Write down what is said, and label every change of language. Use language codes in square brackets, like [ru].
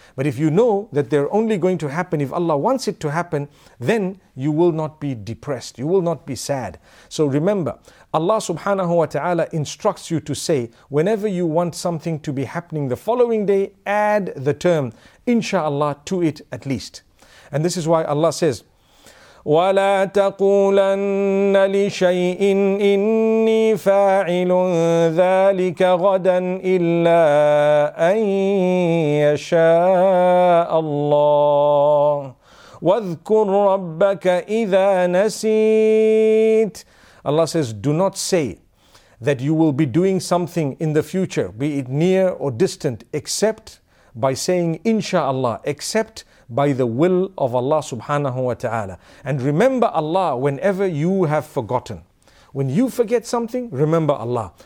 [en] But if you know that they're only going to happen if Allah wants it to happen, then you will not be depressed, you will not be sad. So remember, Allah subhanahu wa ta'ala instructs you to say, whenever you want something to be happening the following day, add the term Insha'Allah to it at least. And this is why Allah says, [ar] ولا تقولن لشيء إني فاعل ذلك غدا إلا أن يشاء الله واذكر ربك إذا نسيت. [en] Allah says, do not say that you will be doing something in the future, be it near or distant, except by saying inshallah, except by the will of Allah subhanahu wa ta'ala. And remember Allah whenever you have forgotten. When you forget something, remember Allah.